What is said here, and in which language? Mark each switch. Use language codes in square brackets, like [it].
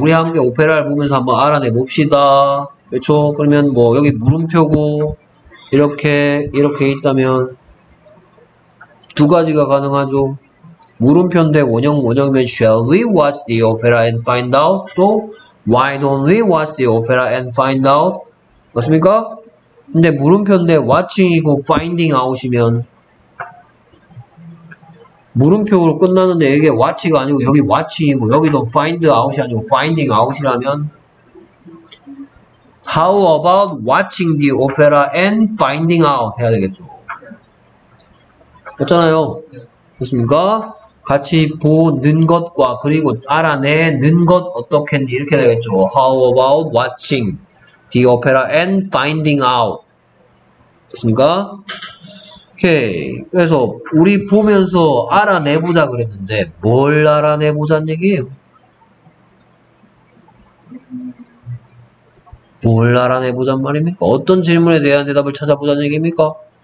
[ko] 우리 함께 오페라를 보면서 한번 알아내 봅시다. 그렇죠? 그러면 뭐 여기 물음표고 이렇게 있다면 두 가지가 가능하죠. 물음표인데 원형이면 [en] Shall we watch the opera and find out? [ko] 또 [en] Why don't we watch the opera and find out? [ko] 맞습니까? 근데 물음표인데 watching이고 finding out이면 물음표로 끝났는데 이게 watch가 아니고 여기 watching이고 여기도 find out이 아니고 finding out이라면 [en] How about watching the opera and finding out [ko] 해야 되겠죠. 그렇잖아요. 그렇습니까? 같이 보는 것과 그리고 알아내는 것 어떻게 했는지 이렇게 되겠죠. [en] How about watching the opera and finding out [ko] 됐습니까? 오케이. 그래서 우리 보면서 알아내보자 그랬는데 뭘 알아내보자는 얘기예요? 뭘 알아내보자는 말입니까? 어떤 질문에 대한 대답을 찾아보자는 얘기입니까?